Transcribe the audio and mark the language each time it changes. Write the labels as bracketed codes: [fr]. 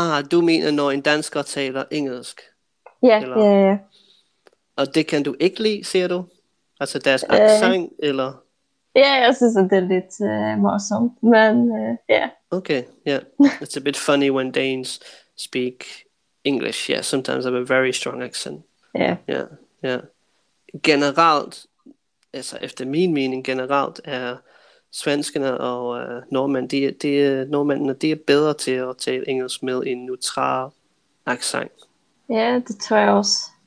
[da] Du mener, når en dansker taler engelsk? Yeah. Og det kan du ikke lide, siger du? Altså deres accent, eller? Ja, jeg synes, at det er lidt morsomt, men ja. Yeah. Okay, yeah. [en] It's a bit funny when Danes speak English. Yeah, sometimes I have a very strong accent. Yeah. Yeah, yeah. [da] Generelt, altså efter min mening, generelt er svenskerne og nordmænd, de er bedre til at tale engelsk med en neutral accent. Ja, det tror jeg også.